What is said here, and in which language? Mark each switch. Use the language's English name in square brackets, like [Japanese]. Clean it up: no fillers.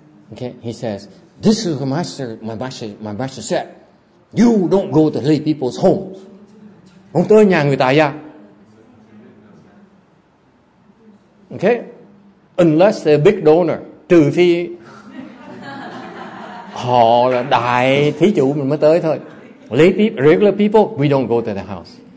[English] Okay, he says, this is my master said, you don't go to lay people's homes. [Vietnamese] Ông tới nhà người tài gia. [English] Okay, unless they're a big donor, [Vietnamese] trừ phi họ là đại thí chủ mình mới tới thôi. [English] Regular people, we don't go to the house.